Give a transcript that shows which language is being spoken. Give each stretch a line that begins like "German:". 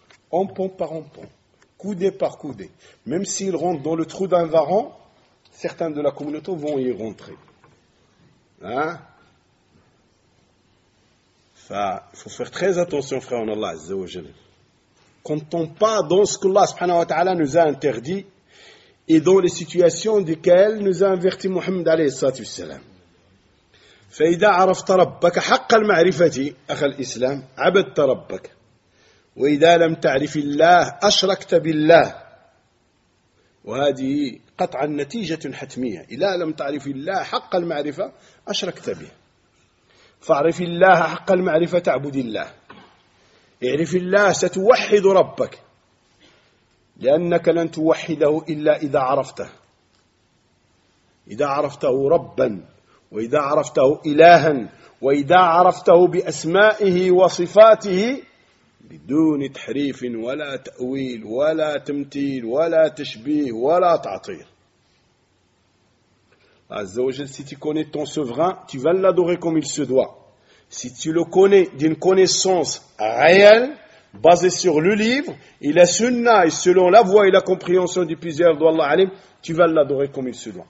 French: En pont par en pont, coudé par coudé. Même s'ils rentrent dans le trou d'un varan, certains de la communauté vont y rentrer. Hein? Il faut faire très attention, frère en Allah, Azza wa Jalla. Quand on part dans ce que Allah subhanahu wa ta'ala nous a interdit et dans les situations desquelles nous a inverti Muhammad alayhi salatu wassalam.
Arabic: فإذا عرفت ربك حق المعرفة أخ الإسلام عبدت ربك وإذا لم تعرف الله أشركت بالله وهذه قطع النتيجة حتمية إذا لم تعرف الله حق المعرفة أشركت به فاعرف الله حق المعرفة تعبد الله اعرف الله ستوحد ربك لأنك لن توحده إلا إذا عرفته إذا عرفته ربا وإذا عرفته إلها وإذا عرفته بأسمائه وصفاته بدون تحريف ولا تأويل ولا تمثيل ولا تشبيه ولا تعطيل. عز وجل,
French: si tu connais ton souverain, tu vas l'adorer comme il se doit. Si tu le connais d'une connaissance réelle, basée sur le livre et la sunna, et selon la voie et la compréhension du plusieurs d'Allah alim, tu vas l'adorer comme il se doit.